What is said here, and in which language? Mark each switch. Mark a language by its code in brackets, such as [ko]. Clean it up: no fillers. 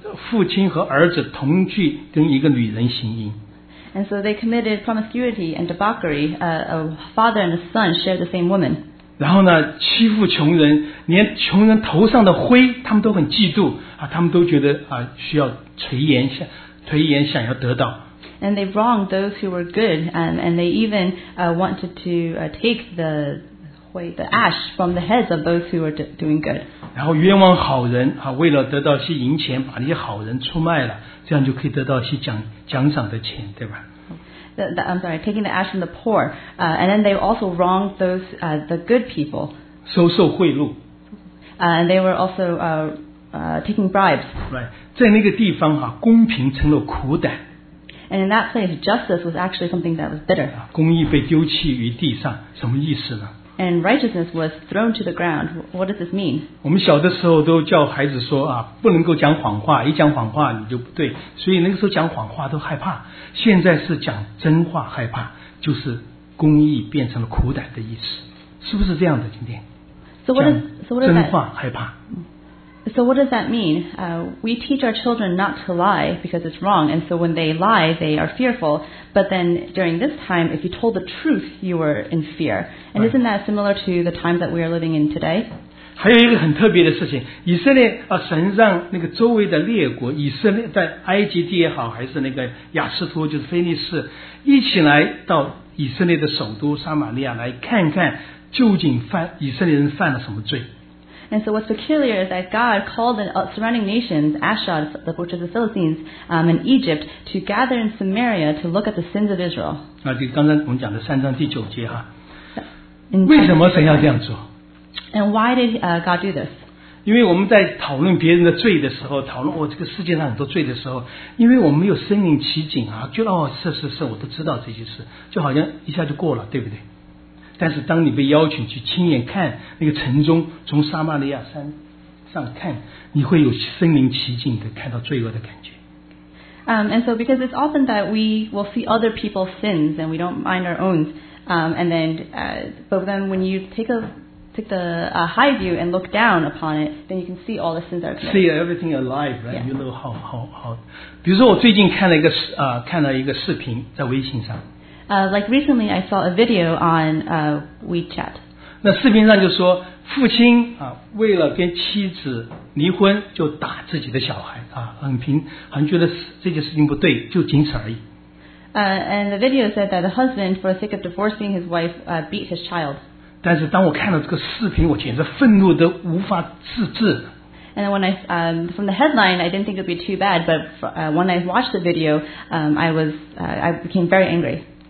[zh] 父亲和儿子同居跟一个女人行淫。 [en] And so they committed promiscuity and debauchery. A father and a son shared the same woman. [zh] 然后呢，欺负穷人，连穷人头上的灰他们都很嫉妒啊，他们都觉得啊需要垂涎想要得到。 [en] And they wronged those who were good, and they even wanted to take the灰 the ash from the heads of those who were doing good. [zh] 然后冤枉好人啊，为了得到些银钱，把那些好人出卖了，这样就可以得到些奖赏的钱，对吧 [en] I'm sorry, taking the ash from the poor, and then they also wronged those the good people. [zh] 收受贿赂 [en] And they were also taking bribes. [zh] Right, 在那个地方啊，公平成了苦胆。 [en] And in that place, justice was actually something that was bitter. [zh] 公义被丢弃于地上，什么意思呢？ [en] And righteousness was thrown to the ground. What does this mean? [zh] 我们小的时候都叫孩子说啊，不能够讲谎话，一讲谎话你就不对。所以那个时候讲谎话都害怕，现在是讲真话害怕，就是公义变成了苦胆的意思，是不是这样的？今天讲真话害怕。 [en] So what does that mean? We teach our children not to lie because it's wrong, and so when they lie, they are fearful. But then during this time, if you told the truth, you were in fear. And isn't that similar to the time that we are living in today? [zh] 还有一个很特别的事情，以色列啊，神让那个周围的列国，以色列在埃及地也好，还是那个亚斯图，就是腓尼士，一起来到以色列的首都撒玛利亚来看看究竟以色列人犯了什么罪。 [en] And so what's peculiar is that God called the surrounding nations, Ashdod, which is the Philistines, and Egypt, to gather in Samaria to look at the sins of Israel. [zh] 那就刚才我们讲的三章第九节哈。为什么神要这样做 [en] ？And why did God do this? [zh] 因为我们在讨论别人的罪的时候，讨论这个世界上很多罪的时候，因为我们没有身临其境啊，就是，我都知道这些事，就好像一下就过了，对不对？但是当你被邀请去亲眼看那个城中从撒玛利亚山上看，你会有身临其境的看到罪恶的感觉。 [en] And so because it's often that we will see other people's sins and we don't mind our own. And then, but then when you take the high view and look down upon it, then you can see all the sins that are committed. See everything alive, right? You know how. [zh] 比如说我最近看了一个视频在微信上。 [en] Like recently, I saw a video on WeChat. [zh] 那视频上就说，父亲啊，为了跟妻子离婚，就打自己的小孩啊，很觉得这件事情不对，就仅此而已。 [en] And the video said that the husband, for the sake of divorcing his wife, beat his child. [zh] 但是当我看到这个视频，我简直愤怒得无法自制。 [en] And when I from the headline, I didn't think it would be too bad, but when I watched the video, I became very angry.